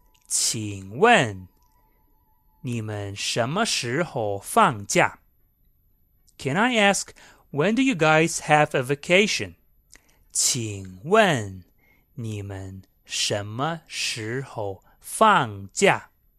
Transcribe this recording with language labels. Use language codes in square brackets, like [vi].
[zh] 请问你们什么时候放假? [en] Can I ask, when do you guys have a vacation? [zh] 请问你们什么时候放假?